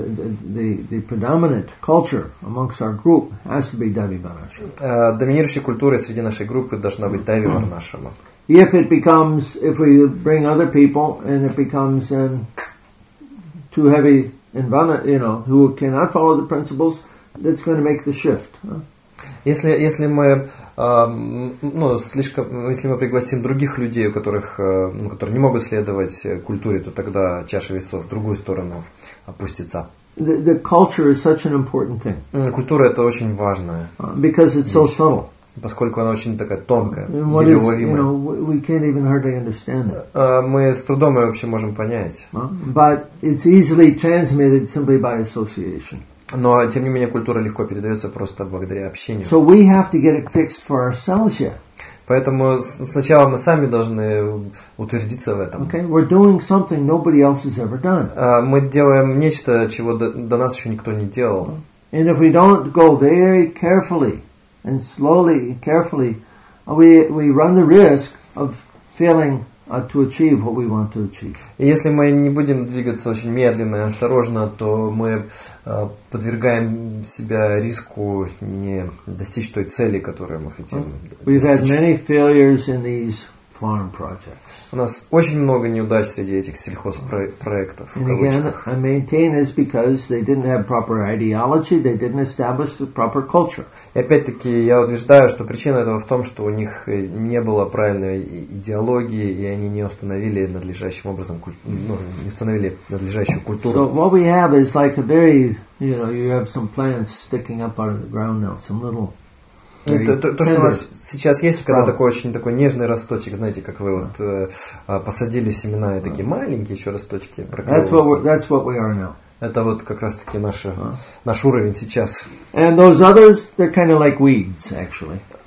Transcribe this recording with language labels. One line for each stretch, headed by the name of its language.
English: The predominant culture amongst our group has to be Devi Varnashrama.
Russian: Доминирующей культурой среди нашей группы должна быть Devi Varnashrama.
English: If we bring other people and it becomes too heavy in Vana, you know, who cannot follow the principles, that's going to make the shift.
Russian: Если мы пригласим других людей, которые не могут следовать культуре, то тогда чаша весов в другую сторону опустится.
English: The culture is such an important thing.
Russian: Культура это очень важная.
English: Because it's so subtle.
Russian: Поскольку она очень такая тонкая, еле уловимая.
English: You know, we can't even hardly understand it.
Russian: Мы с трудом ее вообще можем понять.
English: But it's easily transmitted simply by association.
Russian: Но, тем не менее, культура легко передается просто благодаря общению.
English: So we have to get it fixed for ourselves yet.
Russian: Поэтому сначала мы сами должны утвердиться в этом.
English: Okay, we're doing something nobody else has ever done.
Russian: Мы делаем нечто, чего до нас еще никто не делал.
English: And if we don't go very carefully and slowly, carefully, we run the risk of feeling to achieve what we want to achieve.
Russian: И если мы не будем двигаться очень медленно и осторожно, то мы подвергаем себя риску не достичь той цели, которую мы хотим достичь.
English: We've had many failures in these farm projects.
Russian: У нас очень много неудач среди этих сельхозпроектов.
English: And again, I maintain this because they didn't have proper ideology, they didn't establish the proper culture.
Russian: И опять-таки я утверждаю, что причина этого в том, что у них не было правильной идеологии, и они не установили надлежащим образом, не установили надлежащую культуру.
English: So what we have is like a very, you know, you have some plants sticking up out of the ground now, some little...
Russian: То, что у нас сейчас есть, когда такой очень такой нежный росточек, знаете, как вы вот посадили семена, и такие маленькие еще росточки проклеиваются.
English: That's what we are now.
Russian: Это вот как раз-таки наш уровень сейчас.
English: And those others, they're kind of like weeds, actually.